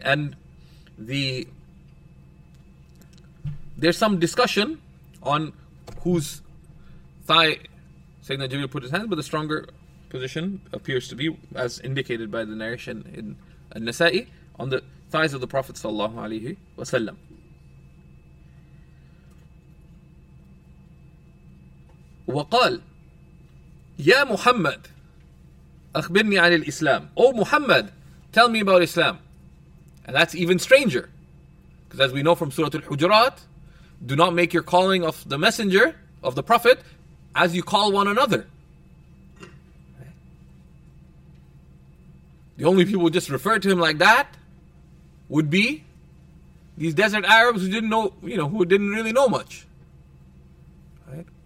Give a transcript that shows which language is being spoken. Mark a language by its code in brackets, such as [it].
[en] And there's some discussion on whose thigh Sayyidina Jibreel put his hands, but the stronger position appears to be, as indicated by the narration in Al-Nasa'i, on the thighs of the Prophet sallallahu alaihi wasallam. [ar] وقال يا محمد أخبرني عن الإسلام. [en] Oh Muhammad, tell me about Islam. And that's even stranger, because as we know from Surah Al-Hujurat, do not make your calling of the messenger of the Prophet as you call one another. The only people who just refer to him like that would be these desert Arabs who didn't know, you know, who didn't really know much. Right?